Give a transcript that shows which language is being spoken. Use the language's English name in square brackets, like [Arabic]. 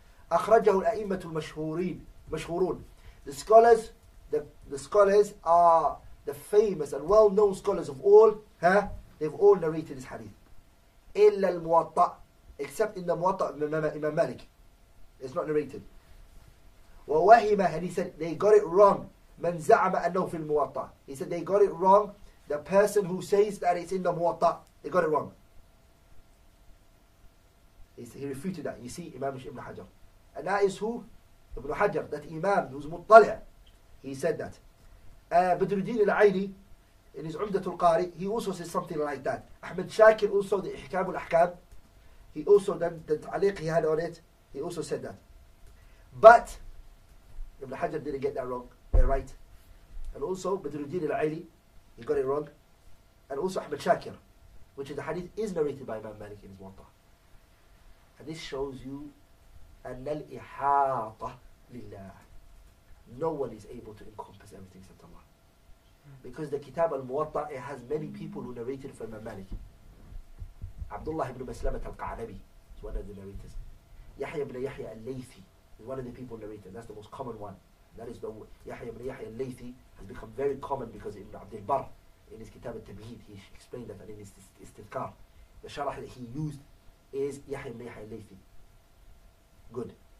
[Arabic] أخرجه الأئمة المشهورين مشهورون. [English] The scholars are the famous and well-known scholars of all. Huh? They've all narrated this hadith. [Arabic] إلا المواطأ. [English] Except in the Muwatta of Imam Malik. It's not narrated. ووهم. And he said they got it wrong. [Arabic] من زعم أنه في المواطأ. [English] He said they got it wrong. The person who says that it's in the Muwatta, they got it wrong. He refuted that. You see, Imam Ibn Hajar. And that is who? Ibn Hajar, that Imam who's Muttali'. He said that. Badruddin al-Aili, in his Umdatul Qari, he also says something like that. Ahmed Shakir also, the Ihkam al-Ahkam, he also, the Taliq he had on it, he also said that. But Ibn Hajar didn't get that wrong. They're right. And also, Badruddin al-Aili, he got it wrong. And also Ahmed Shakir, which is the hadith, is narrated by Imam Malik in his Muwatta. And this shows you [Arabic] أن الإحاطة لله. [English] No one is able to encompass everything except Allah. Because the Kitab al-Muwatta, it has many people who narrated from Imam Malik. Abdullah ibn Maslamat al-Qa'nabi is one of the narrators. Yahya ibn Yahya al-Laythi is one of the people narrated. That's the most common one. That is the Yahya ibn Yahya al-Laythi has become very common because Ibn Abdul Barr, in his Kitab al-Tamheed, he explained that, and in his Istidkar, the sharah that he used is Yahya ibn Yahya al-Laythi. Good.